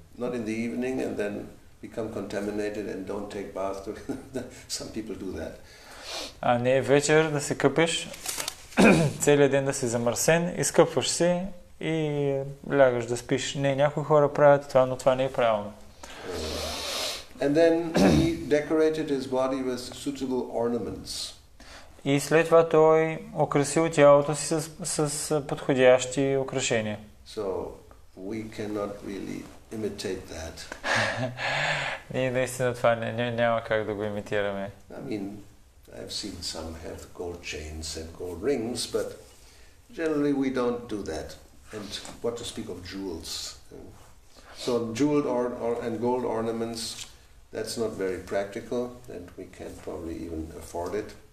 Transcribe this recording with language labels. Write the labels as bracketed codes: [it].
[en] Not in the evening and then become contaminated and don't take bath. Some people do that. [bg] А не вечер да се къпиш, целият ден да си замърсен, изкъпваш се и лягаш да спиш. Не, някои хора правят това, но това не е правилно. [en] And then he decorated his body with suitable ornaments. [bg] И след това той украсил тялото си с подходящи украшения. [en] So we cannot really imitate that. [bg] Ние наистина това няма как да го имитираме. [en] I've seen some have gold chains and gold rings, but generally we don't do that. And what to speak of jewels? So jeweled and gold ornaments, that's not very practical, and we can't probably even afford it.